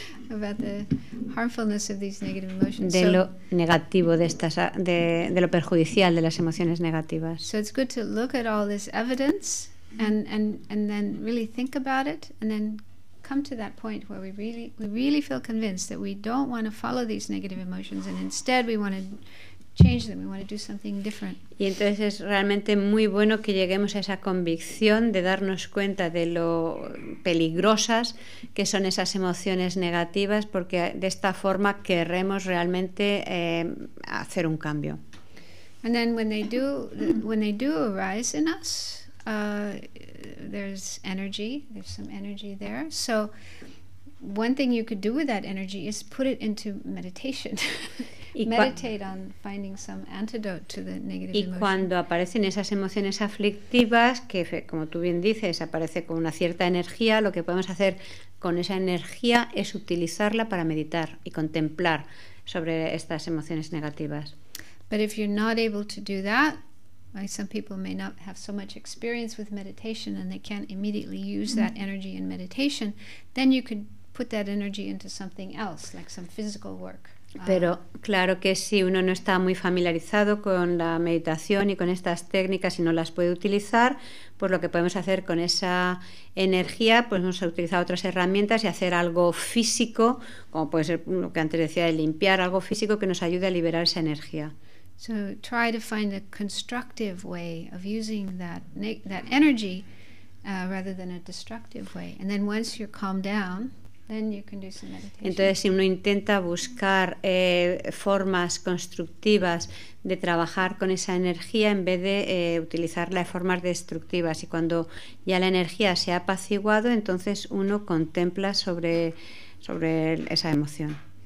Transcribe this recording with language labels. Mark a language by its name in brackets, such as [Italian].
[English] about the harmfulness of these negative emotions. [Spanish] De lo negativo de lo perjudicial de las emociones negativas. [English] So it's good to look at all this evidence and then really think about it and then come to that point where we really feel convinced that we don't want to follow these negative emotions and instead we want to change them, we want to do something different. [Spanish] Y entonces es realmente muy bueno que lleguemos a esa convicción de darnos cuenta de lo peligrosas que son esas emociones negativas, porque de esta forma queremos realmente hacer un cambio. [English] And then when they do arise in us, there's some energy there. So one thing you could do with that energy is put it into meditation. Meditate on finding some antidote to the negative emotion. [Spanish] Y cuando aparecen esas emociones aflictivas, que como tú bien dices, aparece con una cierta energía, lo que podemos hacer con esa energía es utilizarla para meditar y contemplar sobre estas emociones negativas. [English] But if you're not able to do that, like some people may not have so much experience with meditation and they can't immediately use that energy in meditation, then you could put that energy into something else, like some physical work. [Spanish] Pero claro que si uno no está muy familiarizado con la meditación y con estas técnicas y no las puede utilizar, pues lo que podemos hacer con esa energía, pues vamos a utilizar otras herramientas y hacer algo físico, como puede ser lo que antes decía, de limpiar, algo físico que nos ayude a liberar esa energía. [English] So try to find a constructive way of using that energy rather than a destructive way. And then once you're calmed down, then you can do some meditation. [Spanish] Entonces, si uno intenta buscar formas constructivas de trabajar con esa energía en vez de utilizarla de formas destructivas, y cuando ya la energía se ha apaciguado, entonces uno contempla sobre esa emoción.